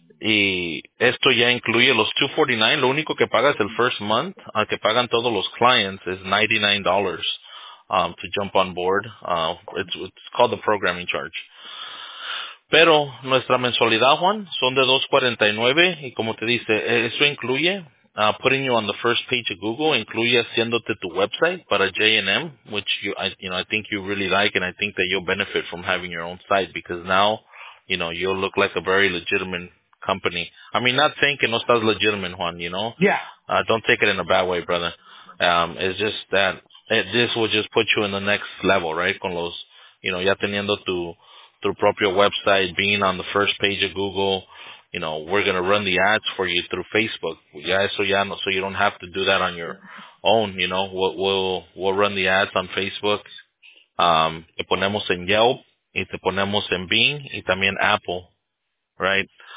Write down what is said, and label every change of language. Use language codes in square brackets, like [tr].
[es] Y esto ya incluye los $249, lo único que pagas el [en] first month, [es] que pagan todos los clients, es $99 [en] to jump on board. It's called the programming charge. [es] Pero nuestra mensualidad, Juan, son de $249, y como te dice, eso incluye [en] putting you on the first page of Google, [es] incluye haciéndote tu website para [en] J&M, which I think you really like, and I think that you'll benefit from having your own site because now, you know, you'll look like a very legitimate company. I mean, not saying [es] que no estás [en] legitimate, Juan, you know? Yeah. Don't take it in a bad way, brother. It's just that this will just put you in the next level, right? [es] Con los, [en] you know, [es] ya teniendo tu propio website, [en] being on the first page of Google, you know, we're going to run the ads for you through Facebook. So you don't have to do that on your own, you know. We'll run the ads on Facebook. [es] Te ponemos en Yelp, y te ponemos en Bing, y también Apple, right?